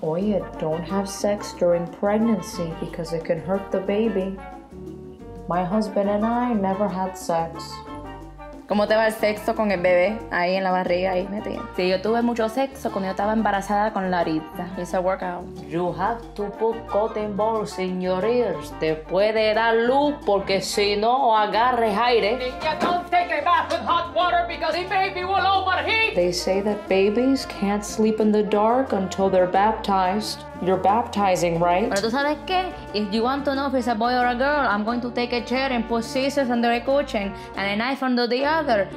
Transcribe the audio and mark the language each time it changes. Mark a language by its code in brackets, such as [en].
[en] Oye, don't have sex during pregnancy because it can hurt the baby. My husband and I never had sex. [es] ¿Cómo te va el sexo con el bebé ahí en la barriga ahí metida? Sí, yo tuve mucho sexo cuando yo estaba embarazada con Larita. [en] It's a workout. You have to put cotton balls in your ears. [es] Te puede dar luz porque si no agarres aire. [en] Yeah, don't take a bath with hot water because the baby will overheat. They say that babies can't sleep in the dark until they're baptized. You're baptizing, right? [es] Pero tú sabes qué? [en] If you want to know if it's a boy or a girl, I'm going to take a chair and put scissors under a cushion and a knife under the other.